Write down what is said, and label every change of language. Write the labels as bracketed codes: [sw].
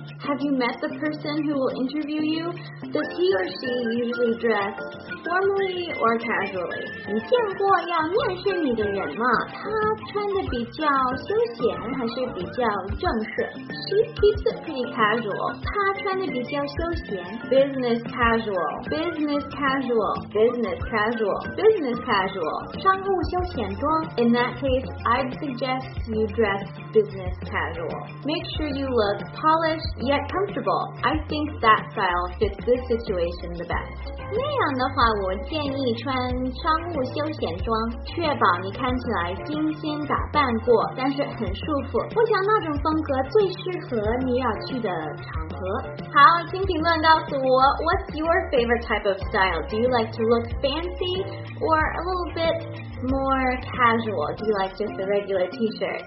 [en] Have you met the person who will interview you? Does he or she usually dress formally or casually? [zh] 你见过要面试你的人吗？他穿得比较休闲还是比较正式？ [en] She keeps it pretty casual. [zh] 他穿得比较休闲。 [en] Business casual, business casual, business casual, business casual. [zh] 商务休闲装。 [en] In that case, I'd suggest you dress business casual. Make sure you look polished yet comfortable. I think that style fits this situation the best. [zh] 那样的话，我建议穿商务休闲装，确保你看起来精心打扮过，但是很舒服。我想那种风格最适合你要去的场合。好，请评论告诉我 [en] What's your favorite type of style? Do you like to look fancy or a little bit more casual? Do you like just a regular t-shirt?